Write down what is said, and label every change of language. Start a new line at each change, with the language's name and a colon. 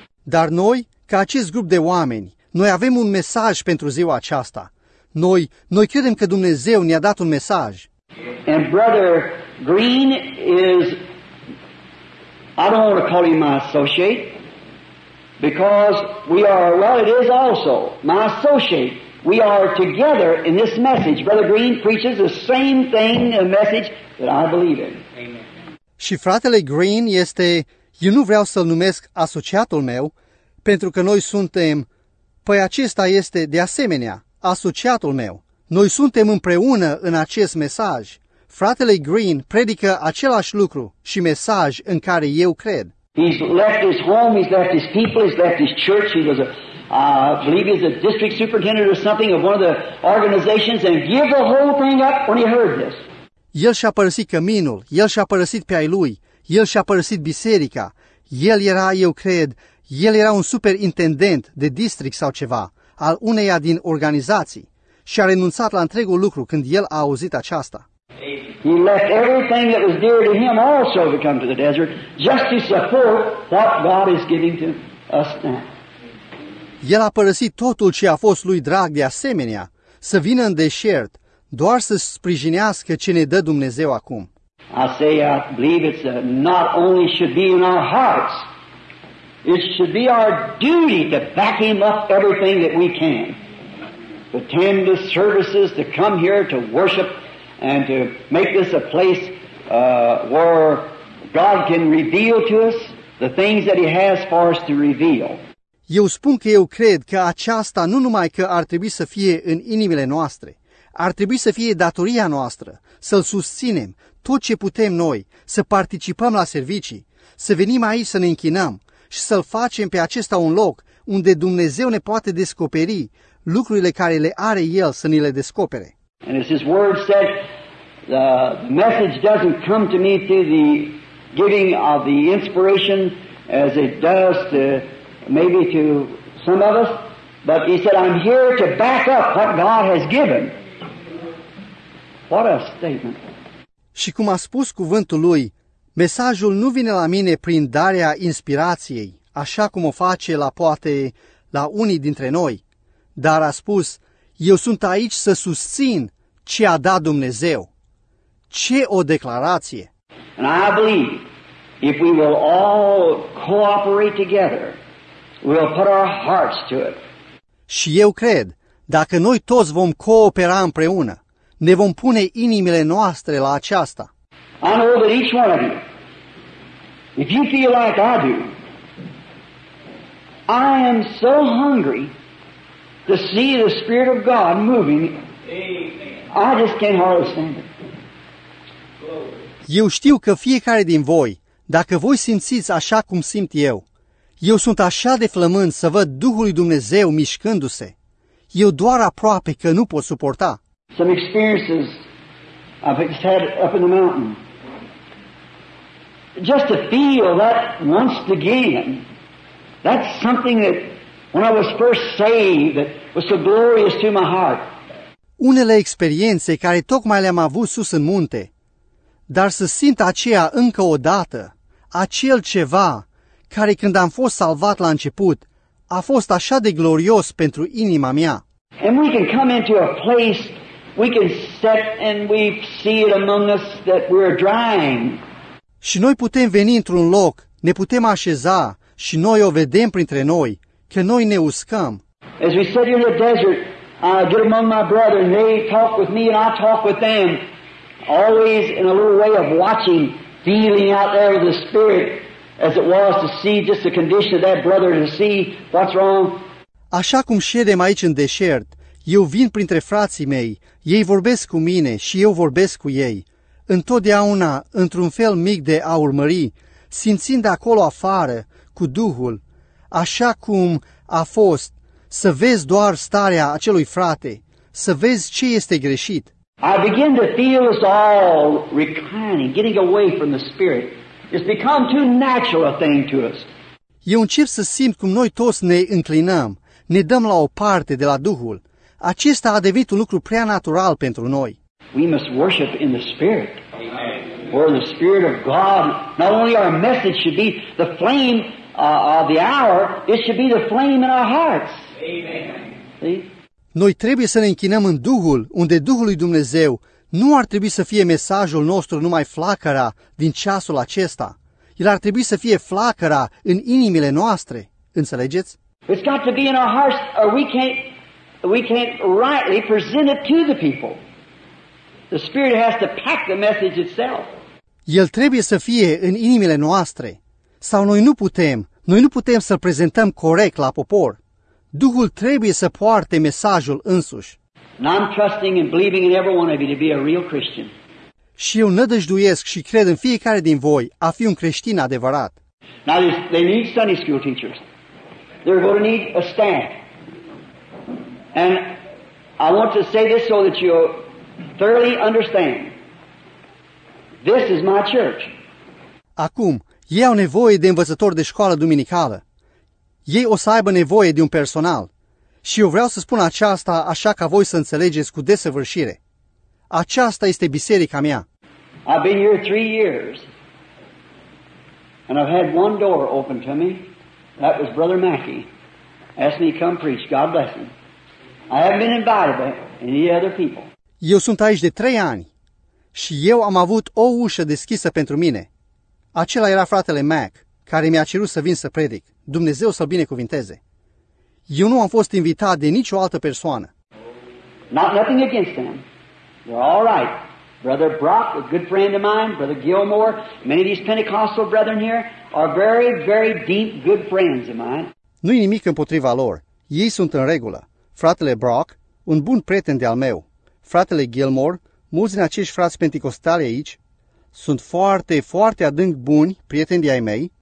Romanian: Dar noi, ca acest grup de oameni, noi avem un mesaj pentru ziua aceasta. Noi credem că Dumnezeu ne-a dat un mesaj.
English: And Brother Green is, I don't want to call him my associate, because we are, well, it is also my associate. We are together in this message. Brother Green preaches the same thing, a message that I believe in.
Romanian: Și fratele Green este, eu nu vreau să-l numesc asociatul meu, pentru că noi suntem, păi acesta este de asemenea asociatul meu. Noi suntem împreună în acest mesaj. Fratele Green predică același lucru și mesaj în care eu cred.
English: He's left his home, he's left his people, he's left his church. He was I believe he's a district superintendent or something of one of the organizations, and gave the whole thing up when he heard this.
Romanian: El și-a părăsit căminul, el și-a părăsit pe ai lui, el și-a părăsit biserica. El era, eu cred, el era un superintendent de district sau ceva, al uneia din organizații, și a renunțat la întregul lucru când el a auzit aceasta.
English: He left everything that was dear to him also to come to the desert just to support what God is giving to us now.
Romanian: El a părăsit totul ce a fost lui drag de asemenea, să vină în deșert, doar să sprijinească ce ne dă Dumnezeu acum.
English: I say, I believe it's not only should be in our hearts, it should be our duty to back him up everything that we can. To attend the services, to come here to worship, and to make this a place where God can reveal to us the things that he has for us to reveal.
Romanian: Eu spun că eu cred că aceasta nu numai că ar trebui să fie în inimile noastre, ar trebui să fie datoria noastră, să-L susținem tot ce putem noi, să participăm la servicii, să venim aici să ne închinăm și să-L facem pe acesta un loc unde Dumnezeu ne poate descoperi lucrurile care le are El să ni le descopere.
English: And as His Word said, the message doesn't come to me through the giving of the inspiration as it does to maybe to some of us, but he said, I'm here to back up what God has given. What a statement.
Romanian: Și cum a spus cuvântul lui, mesajul nu vine la mine prin darea inspirației, așa cum o face la poate la unii dintre noi, dar a spus, eu sunt aici să susțin ce a dat Dumnezeu. Ce o declarație!
English: And I believe if we will all cooperate together, we'll put our hearts to it.
Romanian: Și eu cred, dacă noi toți vom coopera împreună, ne vom pune inimile noastre la aceasta.
English: I know that each one of you, if you feel like I do, I am so hungry to see the Spirit of God moving. Amen. I just can't hardly stand it.
Romanian: Eu știu că fiecare din voi, dacă voi simțiți așa cum simt eu, eu sunt așa de flămând să văd Duhul lui Dumnezeu mișcându-se. Eu doar aproape că nu pot suporta.
English: Some experiences I've had up in the mountain. Just to feel that once again, that's something that when I was first saved that was so glorious to my heart.
Romanian: Unele experiențe care tocmai le-am avut sus în munte, dar să simt aceea încă o dată, acel ceva care când am fost salvat la început, a fost așa de glorios pentru inima mea.
English: And we can come into a place, we can sit and we see it among us that we're drying.
Romanian: Și noi putem veni într-un loc, ne putem așeza și noi o vedem printre noi, că noi ne uscăm.
English: As we sit here in the desert, I get among my brethren, they talk with me and I talk with them, always in a little way of watching, feeling out there with the Spirit, as it was to see just the condition of that brother, to see what's wrong.
Romanian: Așa cum ședem aici în deșert, eu vin printre frații mei, ei vorbesc cu mine și eu vorbesc cu ei, întotdeauna într-un fel mic de a urmări, simțind acolo afară, cu Duhul, așa cum a fost, să vezi doar starea acelui frate, să vezi ce este greșit.
English: I begin to feel us all reclining, getting away from the Spirit. It's become too natural a thing to us.
Romanian: Eu încep să simt cum noi toți ne înclinăm, ne dăm la o parte de la Duhul. Acesta a devenit un lucru prea natural pentru noi.
English: We must worship in the Spirit. Amen. For the Spirit of God, not only our message should be the flame of the hour, it should be the flame in our hearts. Amen. See?
Romanian: Noi trebuie să ne închinăm în Duhul, unde Duhul lui Dumnezeu nu ar trebui să fie mesajul nostru numai flacăra din ceasul acesta. El ar trebui să fie flacăra în inimile noastre. Înțelegeți?
English: It's got to be in our hearts or we can't we can't rightly present it to the people. The Spirit has to pack the message itself.
Romanian: El trebuie să fie în inimile noastre. Sau noi nu putem să-l prezentăm corect la popor. Duhul trebuie să poarte mesajul însuși.
English: Now I'm trusting and believing in every one of you to be a real Christian.
Romanian: Și eu nădăjduiesc și cred în fiecare din voi a fi un creștin adevărat.
English: Now they need Sunday school teachers. They're going to need a staff. And I want to say this so that you thoroughly understand. This is my church.
Romanian: Acum, ei au nevoie de învățători de școală duminicală. Ei o să aibă nevoie de un personal. Și eu vreau să spun aceasta așa ca voi să înțelegeți cu desăvârșire. Aceasta este biserica mea.
English: I've been here 3 years. And I've had one door open to me. That was Brother Mackey. Asked me to come preach. God bless him. I haven't been invited by any other people.
Romanian: Eu sunt aici de 3 ani. Și eu am avut o ușă deschisă pentru mine. Acela era fratele Mac, care mi-a cerut să vin să predic. Dumnezeu să-l binecuvinteze. Eu nu am fost invitat de nicio altă persoană.
English: Nothing against them. They're all right. Brother Brock, a good friend of mine, Brother Gilmore, many of these Pentecostal brethren here are very, very deep good friends of mine.
Romanian: Nu-i nimic împotriva lor. Ei sunt în regulă. Fratele Brock, un bun prieten de-al meu. Fratele Gilmore, mulți din acești frați penticostali aici sunt foarte, foarte adânc buni prieteni de-ai mei.